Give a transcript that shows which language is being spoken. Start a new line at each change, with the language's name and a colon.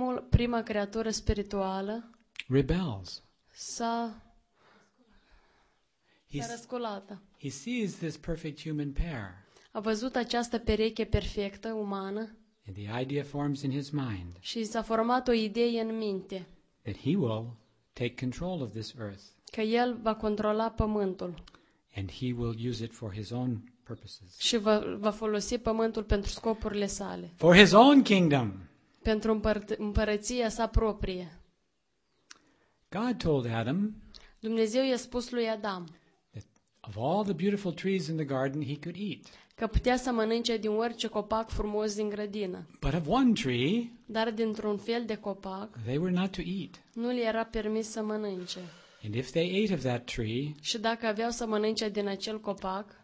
Romanian: prima creatură spirituală,
English: rebels.
Romanian: S-a răsculată.
English: He sees this perfect human pair.
Romanian: A văzut această pereche perfectă umană.
English: And the idea forms in his mind.
Romanian: Și s-a format o idee în minte.
English: That he will take control of this earth.
Romanian: Că el va controla pământul.
English: And he will use it for his own purposes.
Romanian: Și va folosi pământul pentru scopurile sale.
English: For his own kingdom.
Romanian: Pentru împărăția sa proprie.
English: God told Adam.
Romanian: Dumnezeu i-a spus lui Adam.
English: Of all the beautiful trees in the garden he could eat.
Romanian: Că putea să mănânce din orice copac frumos din grădină.
English: But of one tree.
Romanian: Dar dintr-un fel de copac.
English: They were not to eat.
Romanian: Nu li era permis să mănânce.
English: And if they ate of that tree.
Romanian: Și dacă aveau să mănânce din acel copac.